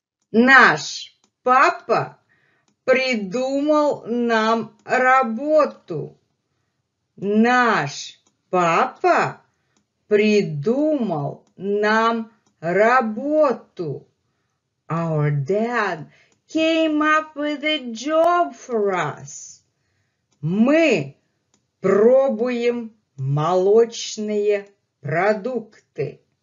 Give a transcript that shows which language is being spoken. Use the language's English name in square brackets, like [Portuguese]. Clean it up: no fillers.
[Russian] Наш папа придумал нам работу. Наш папа придумал нам работу. [English] Our dad came up with a job for us. [Russian] Мы пробуем молочные продукты.